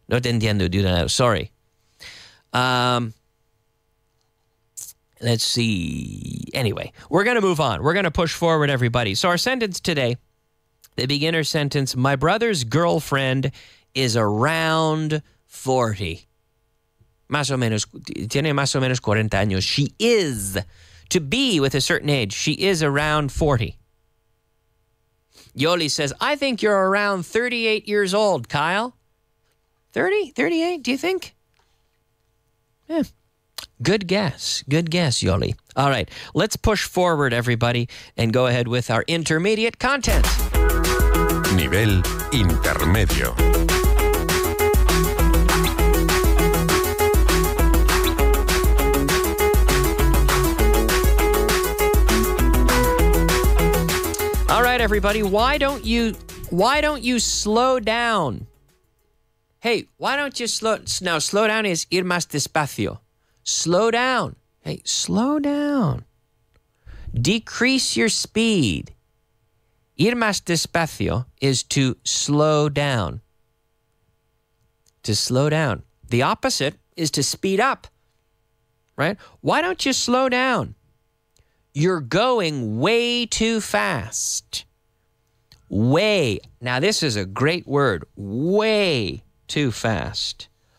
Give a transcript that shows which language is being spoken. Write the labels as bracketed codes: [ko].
[es] No te entiendo, Dudanel. [en] Sorry. Let's see. Anyway, we're going to move on. We're going to push forward, everybody. So our sentence today, the beginner sentence, my brother's girlfriend is around 40. [es] Más o menos, tiene más o menos 40 años. [en] She is to be with a certain age. She is around 40. Yoli says, I think you're around 38 years old, Kyle. 30? 38, do you think? Yeah. Good guess. Good guess, Yoli. All right. Let's push forward, everybody, and go ahead with our intermediate content. [es] Nivel intermedio. [en] Everybody, why don't you slow down? Hey, why don't you slow? Now, slow down is [es] ir más despacio. [en] Slow down. Hey, slow down. Decrease your speed. [es] Ir más despacio [en] is to slow down. To slow down. The opposite is to speed up. Right? Why don't you slow down? You're going way too fast. way, now this is a great word, way too fast.